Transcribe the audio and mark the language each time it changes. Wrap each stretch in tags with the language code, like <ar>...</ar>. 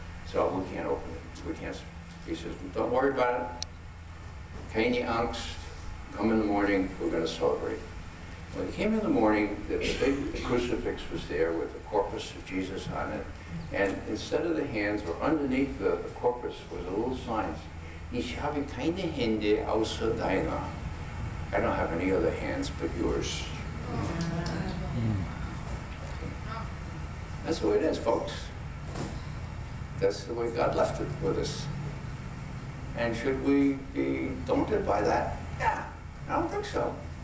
<en>So we can't open it, we can't. He says, don't worry about it,</en> <de>keine Angst,</de> <en>come in the morning, we're going to celebrate. When he came in the morning, the crucifix was there with the corpus of Jesus on it. And instead of the hands, or underneath the corpus, was a little sign.</en> <de>Ich habe keine Hände außer deiner.</de> <en>I don't have any other hands but yours. That's the way it is, folks. That's the way God left it with us. And should we be daunted by that? Yeah, I don't think so.</en>